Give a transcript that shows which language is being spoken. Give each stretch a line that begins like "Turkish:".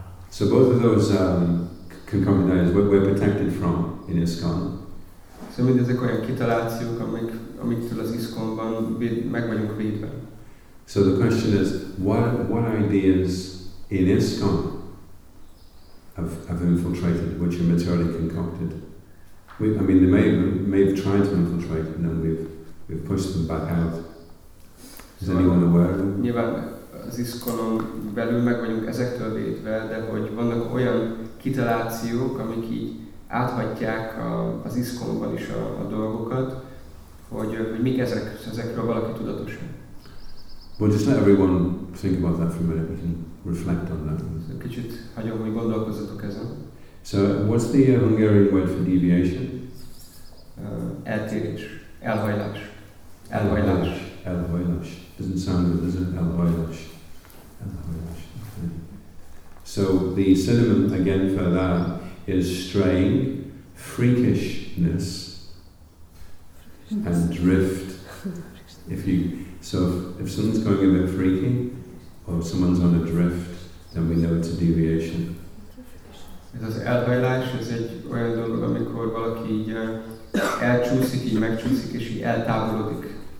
English: So both of those concomitant ideas we're protected from in ISKCON.
Hungarian: So mindezek olyan kitalációk, amiktől az ISKCON-ban meg vagyunk védve.
English: So the question is, what ideas in ISKCON have infiltrated, which are materially concocted? They may have tried to infiltrate, and then we've pushed them back out. Is anyone aware of it?
Hungarian: Nyilván az iszkonon belül meg vagyunk ezektől védve, de hogy vannak olyan kitalációk, amik így áthatják az iszkonban is a dolgokat, hogy mik ezek, ezekről valaki tudatos.
English: Well, just let everyone think about that for a minute. We can reflect on that.
Hungarian: Kicsit hagyom, hogy gondolkozzatok ezen.
English: So, what's the Hungarian word for deviation?
Hungarian: Eltérés, elhajlás. Elhajlás.
English: Elhajlás. Doesn't sound good, does it? Elhajlás. Elhajlás. So, the synonym again for that is straying, freakishness, and drift. If someone's going a bit freaky, or someone's on a drift, then we know it's a deviation.
Hungarian: Ez az elhajlás, ez egy olyan dolog, amikor valaki így elcsúszik, így megcsúszik, és így eltávolodik.